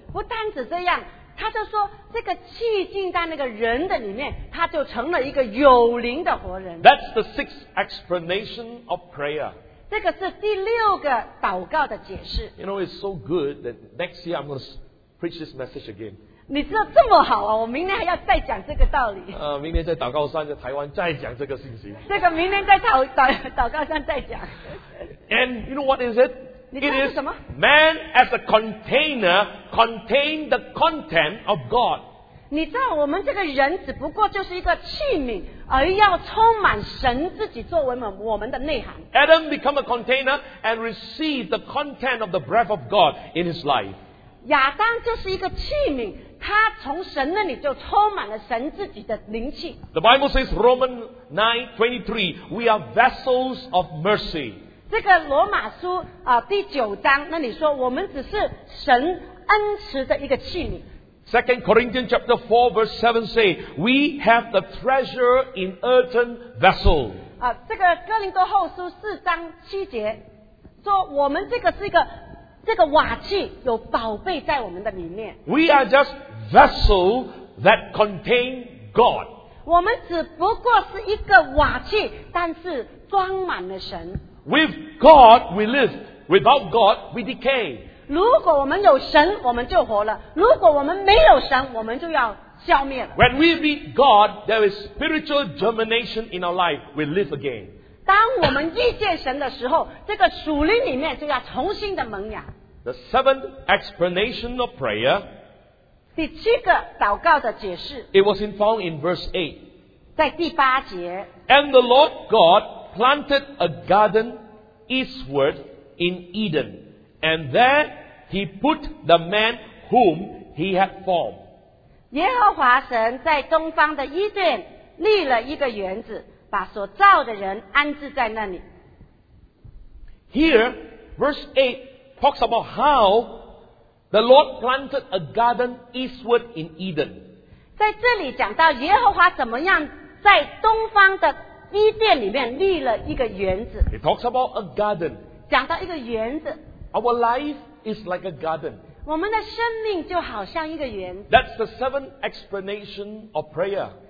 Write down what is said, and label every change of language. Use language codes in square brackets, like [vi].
[zh] 不单只这样。他就说这个气进到那个人的里面，他就成了一个有灵的活人。 [en] That's the sixth explanation of prayer. [zh] 这个是第六个祷告的解释。 [en] You know, it's so good that next year I'm going to preach this message again. [zh] 你知道这么好啊，我明年还要再讲这个道理。明年在祷告山在台湾再讲这个信息。这个明年在 祷告山再讲。 [en] And you know what is it? It is man as a container contain the content of God. [zh] 你知道我们这个人只不过就是一个器皿，而要充满神自己作为我们的内涵。 [en] Adam become a container and receive the content of the breath of God in his life. [zh] 亚当就是一个器皿，他从神那里就充满了神自己的灵气。 [en] The Bible says Romans 9:23, we are vessels of mercy. [zh] 这个罗马书第九章那里说我们只是神恩慈的一个器皿。 [en] 2 Corinthians chapter 4 verse 7 say, we have the treasure in earthen vessel. [zh] 这个哥林多后书四章七节说我们这个是一个瓦器，有宝贝在我们的里面。 [en] We are just vessel that contain God. [zh] 我们只不过是一个瓦器，但是装满了神。 [en] With God, we live. Without God, we decay. [zh] 如果我们有神，我们就活了；如果我们没有神，我们就要消灭了。 [en] When we meet God, there is spiritual germination in our life. We live again. [zh] 当我们遇见神的时候，这个属灵里面就要重新的萌芽。 [en] The seventh explanation of prayer. [zh] 第七个祷告的解释。 [en] It was found in verse 8. [zh] 在第八节。 [en] And the Lord God. Planted a garden eastward in Eden, and there he put the man whom he had formed. [zh] 耶和华神在东方的伊甸立了一个园子，把所造的人安置在那里。 [en] Here, verse 8 talks about how the Lord planted a garden eastward in Eden. [zh] 在这里讲到耶和华怎么样在东方的伊甸里面立了一个园子。 [en] It talks about a garden. [zh] 讲到一个园子。 [en] Our life is like a garden. [zh] 我们的生命就好像一个园子。 [en] That's the seventh explanation of prayer.